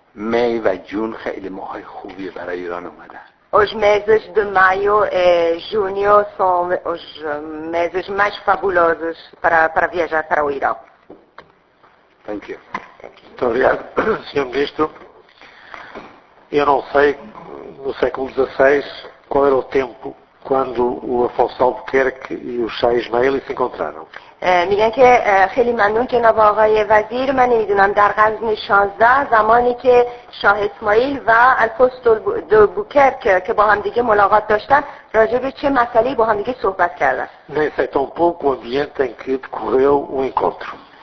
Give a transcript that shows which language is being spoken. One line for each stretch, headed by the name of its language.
Persian: می و جون خیلی ماهای خوبی برای ایران اومدن.
Portuguese: Os meses de maio e junho são os meses mais fabulosos para viajar para o Irã.
English: Thank you.
Portuguese: Obrigado, senhor ministro. Eu não sei, no século XVI, qual era o tempo quando o Afonso Albuquerque e o Shah Ismail se encontraram.
Persian: میگن که خیلی ممنون جناب آقای وزیر، من نمیدونم در قرن 16 زمانی که شاه اسماعیل و الفونسو دو بوکرک که با هم دیگه ملاقات داشتن راجع به چه مسئله با هم دیگه صحبت کردن. نه سایتون پوک و بیانت انکیت کوریو و اینکنترو